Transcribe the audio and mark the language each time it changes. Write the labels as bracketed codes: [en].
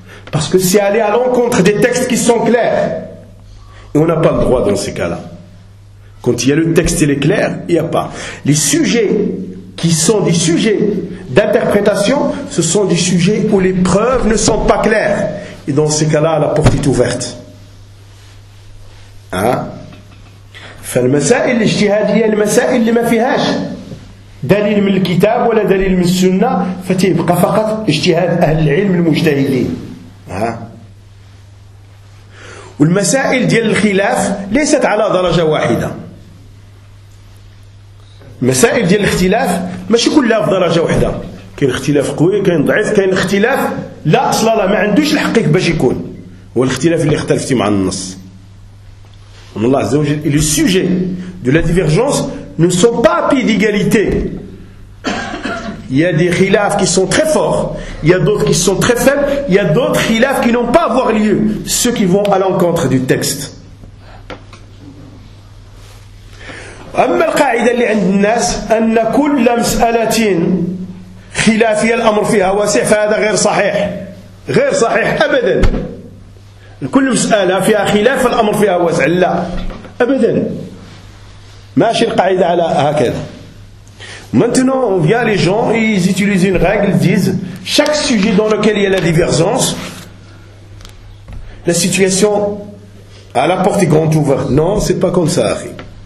[fr] Parce que c'est aller à l'encontre des textes qui sont clairs. Et on n'a pas le droit dans ces cas-là. Quand il y a le texte, il est clair, il n'y a pas. Les sujets qui sont des sujets d'interprétation, ce sont des sujets où les preuves ne sont pas claires. Et dans ces cas-là, la porte est ouverte. Hein? [ar] فالمسائل الاجتهادية المسائل اللي ما فيهاش دليل من الكتاب ولا دليل من السنة فتبقى فقط اجتهاد أهل العلم المجتهدين ها والمسائل ديال الخلاف ليست على درجة واحدة مسائل ديال الاختلاف ماشي كلها في درجة واحدة كاين اختلاف قوي كاين ضعيف كاين اختلاف لا أصل له ما عندوش الحق باش يكون هو الاختلاف اللي اختلفتي مع النص [fr] Et le sujet de la divergence ne sont pas à pied d'égalité. Il y a des khilafs qui sont très forts, il y a d'autres qui sont très faibles, il y a d'autres khilafs qui n'ont pas à avoir lieu, ceux qui vont à l'encontre du texte. [ar] أما القاعدة اللي عند الناس أن كل مسألة خلافية الأمر فيها واسع فهذا غير صحيح. غير صحيح أبدا. كل مسألة فيها خلاف الأمر فيها واسع لا أبدا ماشي القاعدة على هكذا [fr] maintenant on vient les gens et ils utilisent une règle ils disent chaque sujet dans lequel il y a la divergence la situation à la porte est grande ouverte non c'est pas comme ça arrive